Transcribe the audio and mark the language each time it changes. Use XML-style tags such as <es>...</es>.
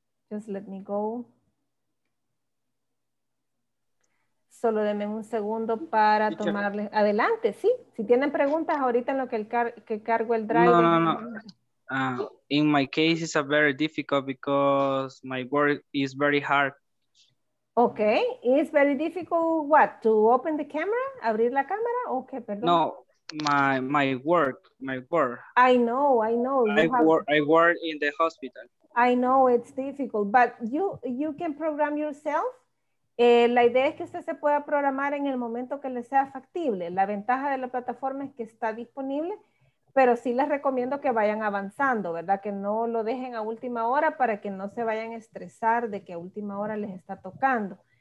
<en>Just let me go.</en> <es>Solo denme un segundo para tomarles. Adelante, sí. Si tienen preguntas ahorita en lo que cargo el drive. No.</es> <en>In my case, it's a very difficult because my work is very hard. Okay, it's very difficult, what, to open the camera,</en> <es>abrir la cámara, okay, perdón.</es> <en>No, my work. I know. I work in the hospital. I know it's difficult, but you can program yourself.</en> <es>La idea es que usted se pueda programar en el momento que le sea factible. La ventaja de la plataforma es que está disponible, pero sí les recomiendo que vayan avanzando, ¿verdad? Que no lo dejen a última hora para que no se vayan a estresar de que a última hora les está tocando.</es>